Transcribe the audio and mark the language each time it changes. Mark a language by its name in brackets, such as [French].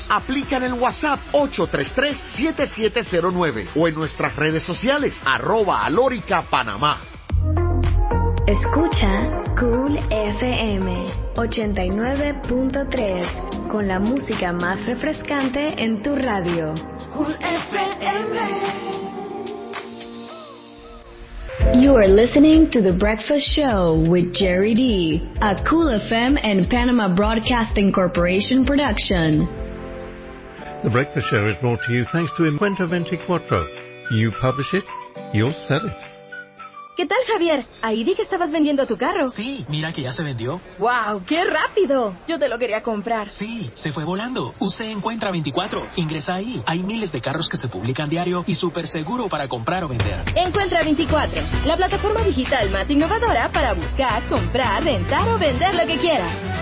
[Spanish] Aplica en el WhatsApp 833-7709 o en nuestras redes sociales @alorica. Panamá. Escucha Cool FM 89.3 con la música más refrescante en tu radio. Cool FM. [English] You are listening to The Breakfast Show with Jerry D, a Cool FM and Panama Broadcasting Corporation production. The Breakfast Show is brought to you thanks to Encuentra 24. You publish it, you'll sell it. [Spanish] ¿Qué tal, Javier? Ahí vi que estabas vendiendo tu carro. Sí, mira que ya se vendió. ¡Wow! ¡Qué rápido! Yo te lo quería comprar. Sí, se fue volando. Usé Encuentra 24. Ingresa ahí. Hay miles de carros que se publican diario y súper seguro para comprar o vender. Encuentra 24, la plataforma digital más innovadora para buscar, comprar, rentar o vender lo que quieras.